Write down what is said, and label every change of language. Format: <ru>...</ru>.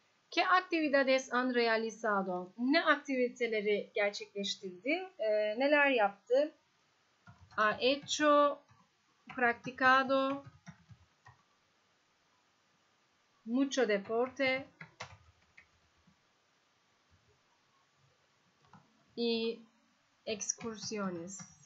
<es>¿Qué actividades han realizado?</es> <tr>Ne aktiviteleri gerçekleştirdi? Neler yaptı?</tr> <es>Ha hecho, practicado mucho deporte y excursiones.</es>